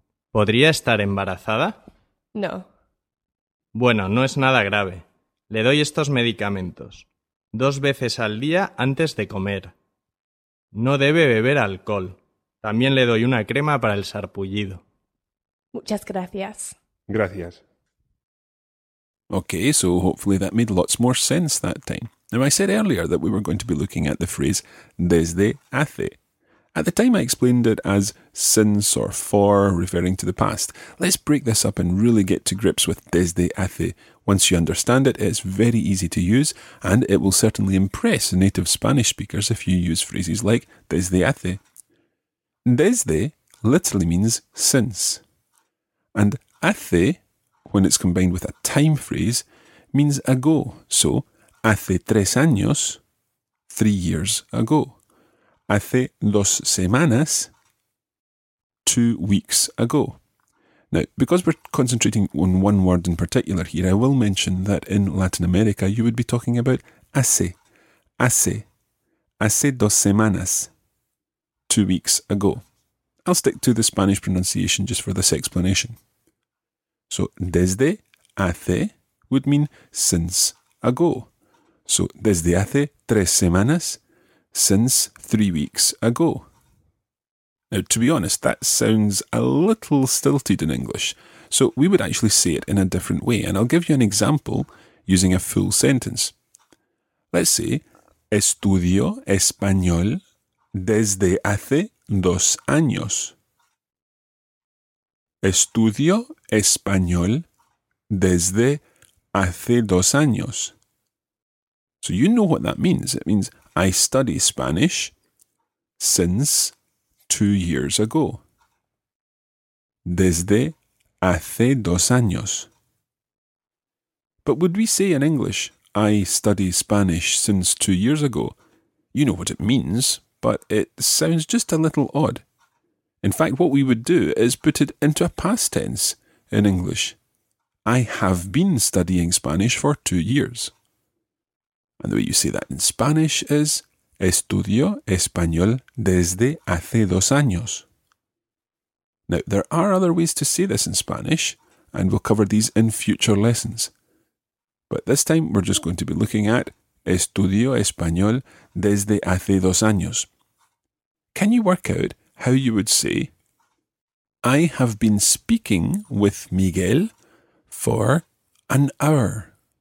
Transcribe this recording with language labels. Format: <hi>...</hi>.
<es>¿Podría estar embarazada? No. Bueno, no es nada grave. Le doy estos medicamentos. 2 veces al día antes de comer. No debe beber alcohol. También le doy una crema para el sarpullido. Muchas gracias. Gracias.</es> <en>Okay, so hopefully that made lots more sense that time. Now, I said earlier that we were going to be looking at the phrase desde hace. At the time, I explained it as since or for, referring to the past. Let's break this up and really get to grips with desde hace. Once you understand it, it's very easy to use, and it will certainly impress native Spanish speakers if you use phrases like desde hace. Desde literally means since. And hace, when it's combined with a time phrase, means ago. So,</en> <es>hace tres años,</es> <en>3 years ago.</en> <es>Hace dos semanas,</es> <en>2 weeks ago. Now, because we're concentrating on one word in particular here, I will mention that in Latin America, you would be talking about</en> <es>hace dos semanas,</es> <en>2 weeks ago. I'll stick to the Spanish pronunciation just for this explanation. So, desde hace would mean since ago. So,</en> <es>desde hace tres semanas,</es> <en>since 3 weeks ago. Now, to be honest, that sounds a little stilted in English. So, we would actually say it in a different way. And I'll give you an example using a full sentence. Let's say,</en> <es>estudio español desde hace dos años. Estudio español desde hace dos años.</es> <en>So you know what that means. It means I study Spanish since 2 years ago.</en> <es>Desde hace dos años.</es> <en>But would we say in English, I study Spanish since 2 years ago? You know what it means, but it sounds just a little odd. In fact, what we would do is put it into a past tense in English. I have been studying Spanish for 2 years. And the way you say that in Spanish is</en> <es>Estudio español desde hace dos años.</es> <en>Now, there are other ways to say this in Spanish, and we'll cover these in future lessons. But this time, we're just going to be looking at</en> <es>Estudio español desde hace dos años.</es> <en>Can you work out how you would say, I have been speaking with Miguel for an hour.</en>